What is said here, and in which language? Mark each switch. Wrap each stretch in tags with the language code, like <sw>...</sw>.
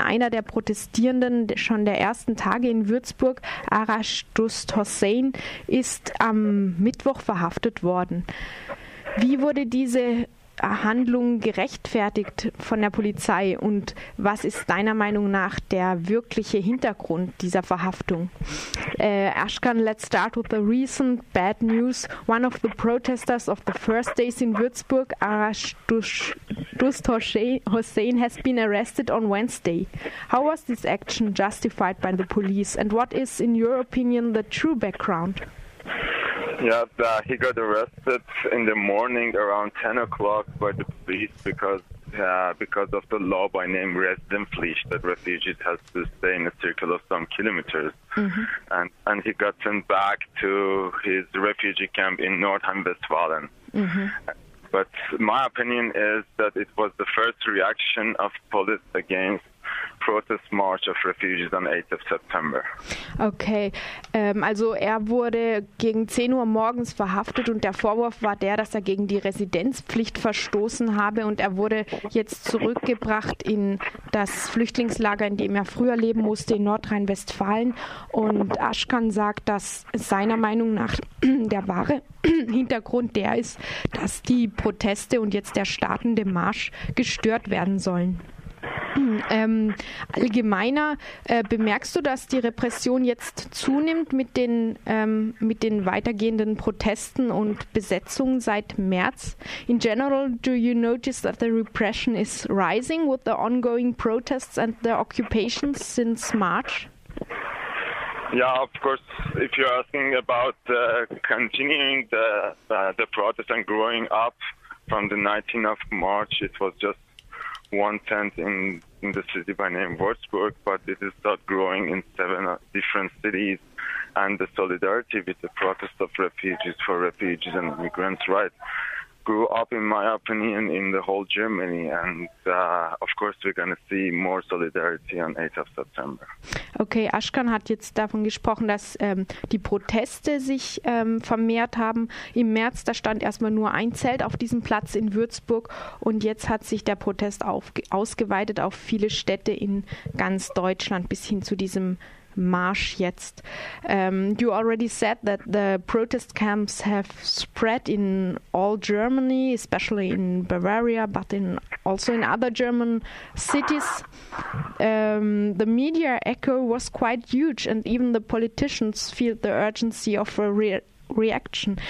<de>Einer der Protestierenden schon der ersten Tage in Würzburg, Arash Dust Hossein, ist am Mittwoch verhaftet worden. Wie wurde diese Handlung gerechtfertigt von der Polizei und was ist deiner Meinung nach der wirkliche Hintergrund dieser Verhaftung?</de> <en>Ashkan, let's start with the recent bad news. One of the protesters of the first days in Würzburg, Arash Dust Hossein, has been arrested on Wednesday. How was this action justified by the police and what is, in your opinion, the true background? Yes, he got arrested in the morning around 10 o'clock by the police because of the law by name Residenzpflicht, that refugees have to stay in a circle of some kilometers. Mm-hmm. And he got sent back to his refugee camp in Nordrhein-Westfalen. Mm-hmm. But my opinion is that it was the first reaction of police against protest march of refugees on 8th of September.</en> <de>Okay, also er wurde gegen 10 Uhr morgens verhaftet und der Vorwurf war der, dass er gegen die Residenzpflicht verstoßen habe und er wurde jetzt zurückgebracht in das Flüchtlingslager, in dem er früher leben musste, in Nordrhein-Westfalen. Und Ashkan sagt, dass seiner Meinung nach der wahre Hintergrund der ist, dass die Proteste und jetzt der startende Marsch gestört werden sollen. Allgemeiner, bemerkst du, dass die Repression jetzt zunimmt mit den weitergehenden Protesten und Besetzungen seit März?</de> <en>In general, do you notice that the repression is rising with the ongoing protests and the occupations since March? Yeah, of course, if you're asking about continuing the protest and growing up from the 19th of March, it was just one tent in the city by name Würzburg, but it is not growing in seven different cities. And the solidarity with the protest of refugees for refugees and immigrants' rights grew up, in my opinion, in the whole Germany. And of course, we're going to see more solidarity on 8th of September.</en> <de>Okay, Ashkan hat jetzt davon gesprochen, dass die Proteste sich vermehrt haben. Im März, da stand erstmal nur ein Zelt auf diesem Platz in Würzburg. Und jetzt hat sich der Protest ausgeweitet auf viele Städte in ganz Deutschland bis hin zu diesem Marsch jetzt.</de> <en>You already said that the protest camps have spread in all Germany, especially in Bavaria, but also in other German cities. The media echo was quite huge, and even the politicians felt the urgency of a reaction.</en>